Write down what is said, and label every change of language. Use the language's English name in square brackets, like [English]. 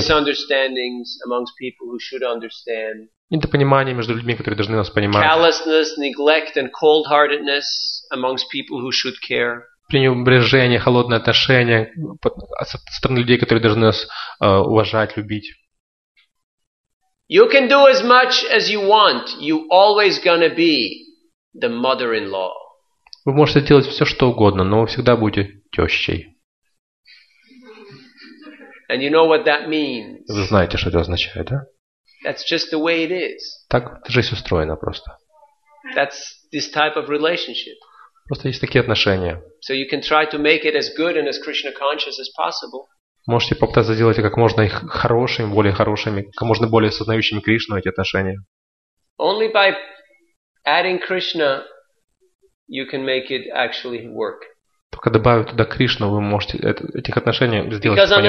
[English] Misunderstandings amongst people who should understand. [Russian] Недопонимание между людьми, которые должны нас понимать. [English] Callousness, neglect and cold-heartedness amongst people who should care. [Russian] Пренебрежение, холодное отношение со стороны людей, которые должны нас уважать, любить. [English] You can do as much as you want. You always gonna be the mother-in-law. [Russian] Вы можете делать все, что угодно, но вы всегда будете тещей. [English] And you know what that means. [Russian] Вы знаете, что это означает, да? [English] That's just the way it is. [Russian] Так жизнь устроена просто. [English] That's this type of relationship. [Russian] Просто есть такие отношения. [English] So you can try to make it as good and as Krishna conscious as possible. [Russian] Можете попытаться сделать как можно их хорошими, более хорошими, как можно более сознающими Кришну эти отношения. [English] Only by adding Krishna you can make it actually work. [Russian] Только добавив туда Кришну, вы можете этих отношений сделать, чтобы они